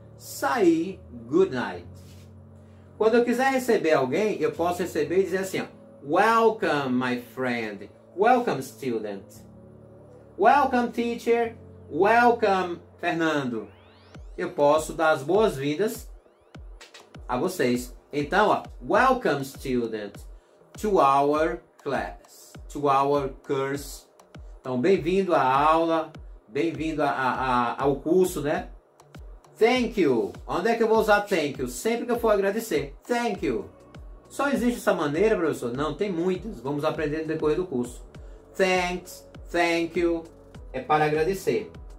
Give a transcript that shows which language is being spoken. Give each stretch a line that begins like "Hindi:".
Portuguese: Saí,
English: good night.
Portuguese: Quando eu quiser receber alguém, eu posso receber e dizer assim, ó,
English: welcome, my friend. Welcome, student. Welcome, teacher. Welcome, Fernando.
Portuguese: Eu posso dar as boas-vindas a vocês. Então, ó,
English: welcome, student, to our class, to our course.
Portuguese: Então, bem-vindo à aula, bem-vindo ao curso, né?
English: Thank you.
Portuguese: Onde é que eu vou usar
English: thank you?
Portuguese: Sempre que eu for agradecer. Thank you. Só existe essa maneira, professor? Não, tem muitas. Vamos aprender no decorrer do curso.
English: Thanks, thank you.
Portuguese: É para agradecer.